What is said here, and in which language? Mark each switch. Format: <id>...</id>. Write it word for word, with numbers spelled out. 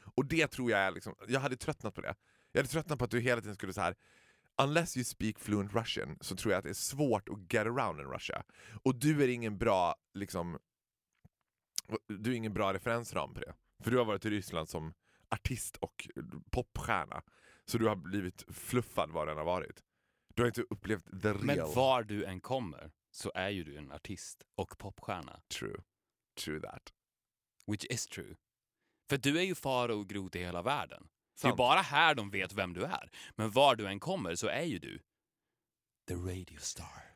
<sv>Och det tror jag är liksom, jag hade tröttnat på det. Jag hade tröttnat på att du hela tiden skulle så här</sv> <en>unless you speak fluent Russian så tror jag att det är svårt att get around in Russia.</en> <sv>Och du är ingen bra liksom du är ingen bra referensram på det. För du har varit i Ryssland som artist och popstjärna. Så du har blivit fluffad var den har varit. Du har inte upplevt</sv> <en>the real.</en> <sv>Men var du än kommer så är ju du en artist och popstjärna.</sv> <en>True. True that. Which is true.</en> <sv>För du är ju fara och grot i hela världen. Sant. Det är bara här de vet vem du är. Men var du än kommer så är ju du</sv> <en>the radio star.</en>